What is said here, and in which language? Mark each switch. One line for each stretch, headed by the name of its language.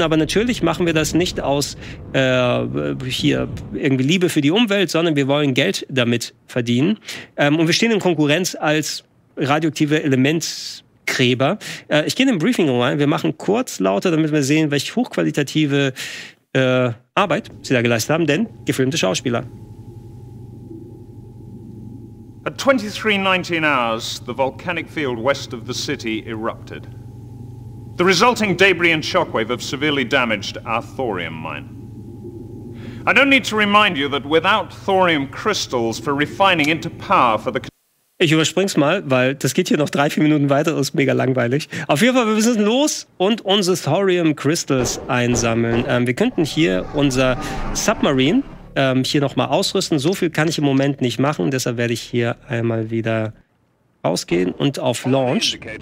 German: Aber natürlich machen wir das nicht aus hier irgendwie Liebe für die Umwelt, sondern wir wollen Geld damit verdienen. Und wir stehen in Konkurrenz als radioaktive Elementgräber. Ich gehe in den Briefing-Raum rein. Wir machen kurz lauter, damit wir sehen, welche hochqualitative Arbeit sie da geleistet haben, denn gefilmte Schauspieler.
English: At 23:19 hours, the volcanic field west of the city erupted. The resulting debris and shockwave have severely damaged our thorium mine. I don't need to remind you that without thorium crystals for refining into power for the...
German: Ich überspring's mal, weil das geht hier noch 3-4 Minuten weiter, das ist mega langweilig. Auf jeden Fall, wir müssen los und unsere Thorium Crystals einsammeln. Wir könnten hier unser Submarine hier nochmal ausrüsten. So viel kann ich im Moment nicht machen, deshalb werde ich hier einmal wieder rausgehen und auf Launch.